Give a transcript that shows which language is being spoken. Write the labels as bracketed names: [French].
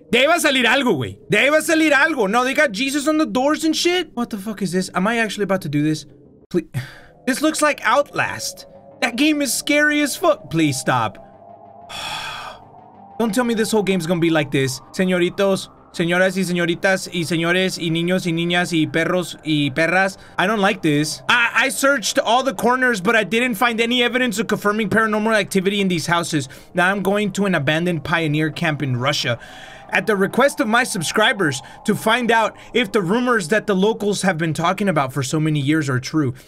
[Spanish] De ahí va a salir algo, güey. De ahí va a salir algo. [English] No, they got Jesus on the doors and shit? What the fuck is this? Am I actually about to do this? Please. This looks like Outlast. That game is scary as fuck. Please stop. Don't tell me this whole game's gonna be like this. [Spanish] Señoritos. Señoras y señoritas y señores y niños y niñas y perros y perras. [English] I don't like this. I searched all the corners, but I didn't find any evidence of confirming paranormal activity in these houses. Now I'm going to an abandoned pioneer camp in Russia at the request of my subscribers to find out if the rumors that the locals have been talking about for so many years are true.